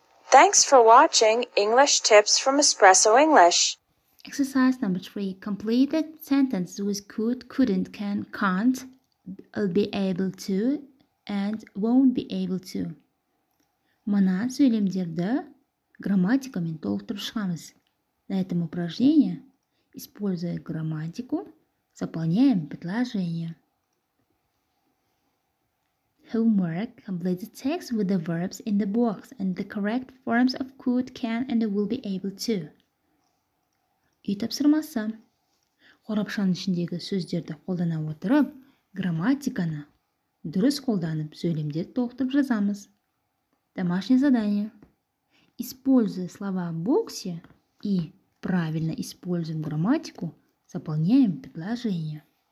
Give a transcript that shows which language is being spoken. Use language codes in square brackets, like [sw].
[en] Thanks for watching English Tips from Espresso English. Exercise number 3. Complete the sentences with could, couldn't, can, can't, I'll be able to, and won't be able to. [kk] Мына сөйлемдерді грамматикамен толықтырып шығамыз. [ru] На этом упражнении, используя грамматику, заполняем предложение. [en] Homework. Complete the text with the verbs in the box and the correct forms of could, can and will be able to. [kk] Үй тапсырмасы. Қорапшаның ішіндегі сөздерді қолдана отырып, грамматиканы дұрыс қолданып сөйлемдерді толықтырып жазамыз. [ru] Домашнее задание. Используя слова в боксе и правильно используя грамматику, заполняем предложение.